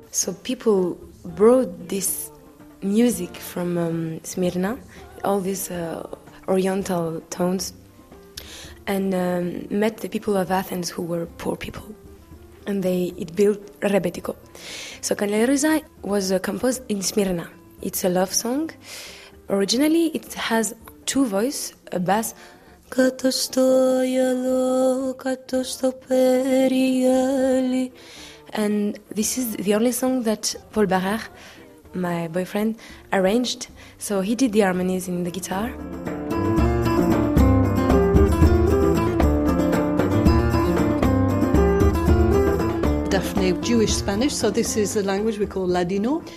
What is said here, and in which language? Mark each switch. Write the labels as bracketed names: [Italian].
[English] So people brought this music from Smyrna, all these oriental tones, and met the people of Athens who were poor people, and it built rebetiko. So Kanleoriza was composed in Smyrna. It's a love song. Originally it has 2 voices, a bass. [Greek] Κάτω στο γυαλό, κάτω στο περιγυάλι. [English] And this is the only song that Paul Barrère, my boyfriend, arranged. So he did the harmonies in the guitar. Daphne, Cockney Jewish Spanish, so this is a language we call Ladino.